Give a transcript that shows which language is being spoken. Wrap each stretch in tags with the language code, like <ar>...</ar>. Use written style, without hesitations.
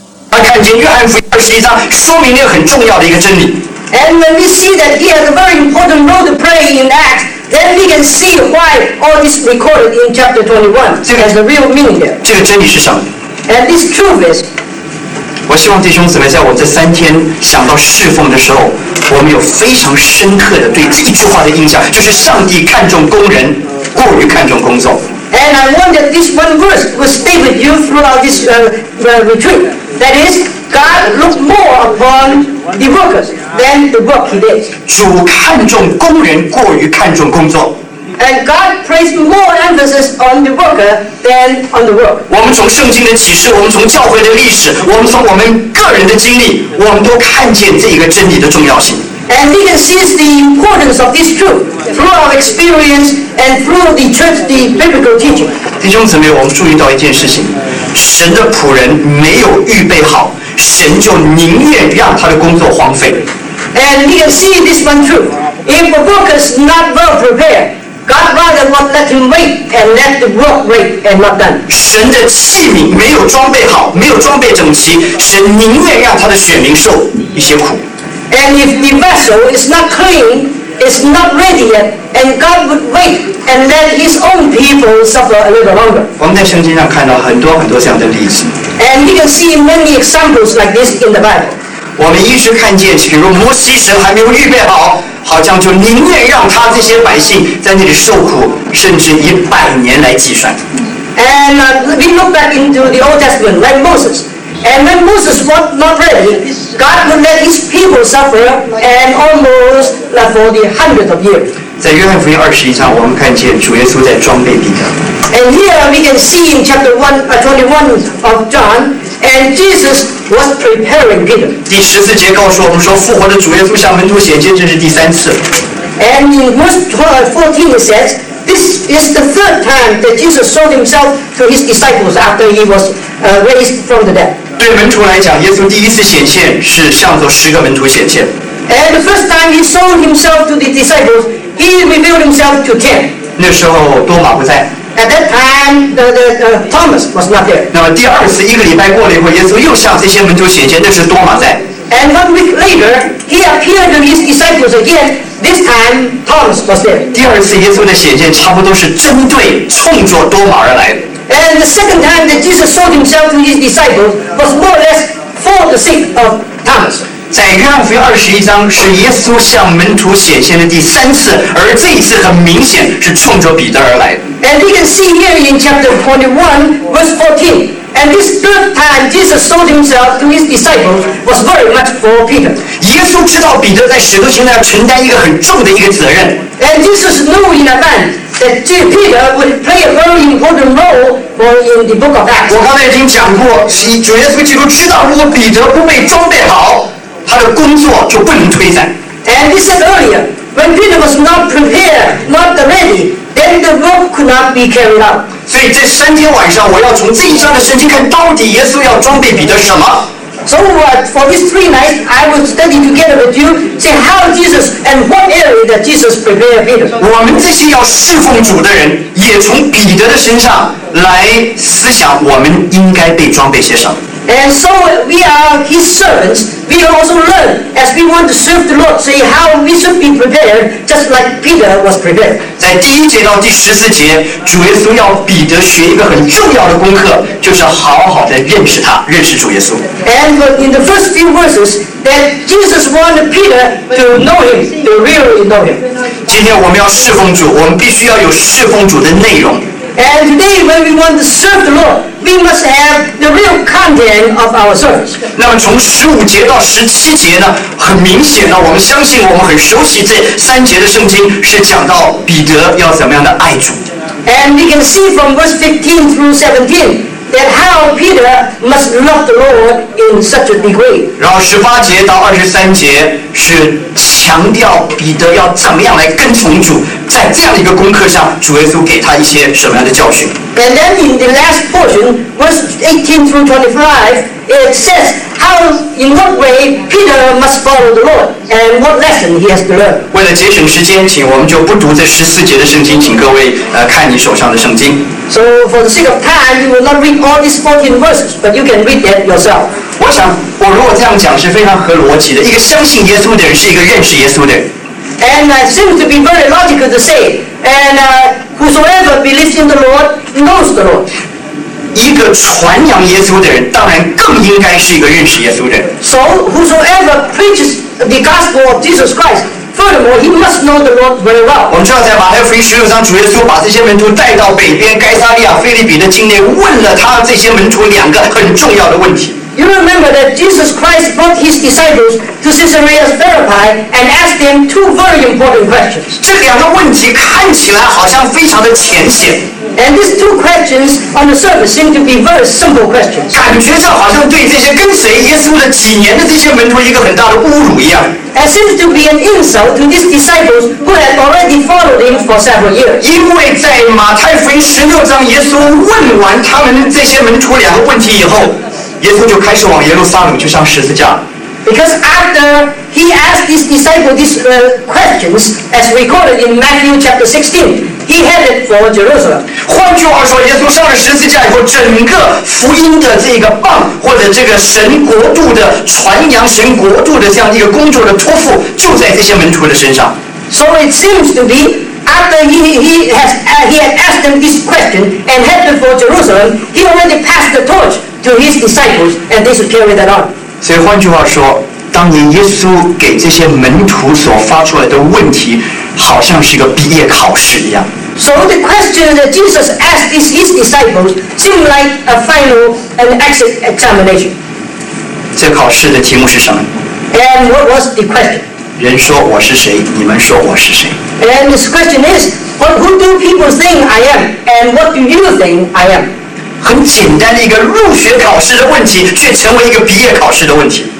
<zh>他看见约翰福音21章说明了很重要的一个真理。</zh> <en>And when we see that he has a very important role to play in that, then we can see why all this recorded in chapter 21 has the real meaning here.</en> <zh>这个真理是什么？</zh> <en>And this truth is.</en> <zh>我希望弟兄姊妹在我这三天想到侍奉的时候，我们有非常深刻的对这句话的印象，就是上帝看重工人，过于看重工作。</zh> <en>And I want that this one verse will stay with you throughout this retreat. That is, God looks more upon the workers than the work he did.</en> <zh>主看重工人过于看重工作。</zh> <en>And God places more emphasis on the worker than on the work.</en> <zh>我们从圣经的启示，我们从教会的历史，我们从我们个人的经历，我们都看见这个真理的重要性。</zh> <en>And we can see the importance of this truth through our experience and through the church, the biblical teaching.</en> <zh>弟兄姊妹，我们注意到一件事情：神的仆人没有预备好，神就宁愿让他的工作荒废。</zh> <en>And we can see this one truth: if a worker is not well prepared, God rather will let him wait and let the work wait and not done.</en> <zh>神的器皿没有装备好，没有装备整齐，神宁愿让他的选民受一些苦。</zh> <en>And if the vessel is not clean, is not ready yet, and God would wait and let His own people suffer a little longer.</en> <zh>我们在圣经上看到很多很多这样的例子。</zh> <en>And we can see many examples like this in the Bible.</en> <zh>我们一直看见，比如摩西神还没有预备好，好像就宁愿让他这些百姓在那里受苦，甚至以百年来计算。</zh> <en>And we look back into the Old Testament, like Moses. And when Moses was not ready, God would let his people suffer and almost left for the hundreds of years.</en> <zh>在约翰福音21章，我们看见主耶稣在装备彼得。</zh> <en>And here we can see in chapter 21 of John, and Jesus was preparing Peter.</en> <zh>第十四节告诉我们说，复活的主耶稣向门徒显现，这是第三次。</zh> <en>And in verse 14 it says, this is the third time that Jesus showed himself to his disciples after he was raised from the dead.</en> <zh>对门徒来讲，耶稣第一次显现是向着十个门徒显现。</zh> <en>And the first time he showed himself to the disciples, he revealed himself to 10.</en> <zh>那时候多马不在。</zh> <en>At that time, Thomas was not there.</en> <zh>那么第二次一个礼拜过了以后，耶稣又向这些门徒显现，那时多马在。</zh> <en>And one week later, he appeared to his disciples again. This time, Thomas was there.</en> <zh>第二次耶稣的显现差不多是针对冲着多马而来的。</zh> <en>And the second time that Jesus showed himself to his disciples was more or less for the sake of Thomas.</en> <zh>在约翰福音21章是耶稣向门徒显现的第三次，而这一次很明显是冲着彼得而来。</zh> <en>And we can see here in chapter 21, verse 14, and this third time Jesus showed himself to his disciples was very much for Peter.</en> <zh>耶稣知道彼得在使徒行上要承担一个很重的一个责任。</zh> <en>And Jesus knew in advance. That Peter would play a very important role for in the book of Acts.</en> <zh>我刚才已经讲过，主耶稣基督知道，如果彼得不被装备好，他的工作就不能推展。</zh> <en>And he said earlier, when Peter was not prepared, not ready, then the work could not be carried out.</en> <zh>所以这三天晚上，我要从这一章的圣经看到底耶稣要装备彼得什么。</zh> <en>So for these three nights, I will study together with you, say how Jesus and what area that Jesus prepared Peter.</en> <zh>我们这些要侍奉主的人，也从彼得的身上来思想，我们应该被装备些什么。</zh> <en>And so we are His servants. We also learn as we want to serve the Lord, say how we should be prepared, just like Peter was prepared.</en> <zh>在第一节到第十四节，主耶稣要彼得学一个很重要的功课，就是好好的认识他，认识主耶稣。</zh> <en>And in the first few verses, that Jesus wanted Peter to know Him, to really know Him.</en> <zh>今天我们要侍奉主，我们必须要有侍奉主的内容。</zh> <en>And today, when we want to serve the Lord, we must have the real content of our service.</en> <zh>那么从十五节到十七节呢？很明显呢，我们相信我们很熟悉这三节的圣经是讲到彼得要怎么样的爱主。</zh> <en>And we can see from verse 15 through 17 that how Peter must love the Lord in such a degree.</en> <zh>然后十八节到二十三节是强调彼得要怎么样来跟从主。在这样一个功课上，主耶稣给他一些什么样的教训？</zh> <en>And then in the last portion, verse 18 through 25, it says how, in what way Peter must follow the Lord and what lesson he has to learn.</en> <zh>为了节省时间，请我们就不读这十四节的圣经，请各位看你手上的圣经。</zh> <en>So for the sake of time, you will not read all these 14 verses, but you can read that yourself.</en> <zh>我我想我如果这样讲是非常合逻辑的，一个相信耶稣的人是一个认识耶稣的人。</zh> <en>And it seems to be very logical to say, and whosoever believes in the Lord knows the Lord.</en> <zh>一个传扬耶稣的人，当然更应该是一个认识耶稣的人。</zh> <en>So whosoever preaches the gospel of Jesus Christ, furthermore, he must know the Lord very well.</en> <zh>我们知道在马太福音十六章，主耶稣把这些门徒带到北边该撒利亚腓立比的境内，问了他这些门徒两个很重要的问题。</zh> <en>You remember that Jesus Christ brought his disciples to Caesarea Philippi and asked them two very important questions.</en> <zh>这两个问题看起来好像非常的浅显。</zh> <en>And these two questions on the surface seem to be very simple questions.</en> <zh>感觉这好像对这些跟随耶稣的几年的这些门徒一个很大的侮辱一样。</zh> <en>It seems to be an insult to these disciples who had already followed him for several years.</en> <zh>因为在马太福音十六章，耶稣问完他们这些门徒两个问题以后。耶稣就开始往耶路撒冷去上十字架。</zh> <en>Because after he asked his disciples these questions, as recorded in Matthew chapter 16, he headed for Jerusalem.</en> <zh>换句话说，耶稣上了十字架以后，整个福音的这个棒，或者这个神国度的传扬神国度的这样一个工作的托付，就在这些门徒的身上。</zh> <en>So it seems to be. After he had asked them this question and headed for Jerusalem, he already passed the torch to his disciples, and they should carry that on.</en> <zh>所以换句话说，当年耶稣给这些门徒所发出来的问题，好像是一个毕业考试一样。</zh> <en>So the question that Jesus asked his disciples seemed like a final and exit examination.</en> <zh>这考试的题目是什么</zh> <en>？And what was the question?</en> <zh>人说我是谁，你们说我是谁。</zh> <en>And this question is, who do people think I am, and what do you think I am?</en> <zh>很简单的一个入学考试的问题，却成为一个毕业考试的问题。</zh>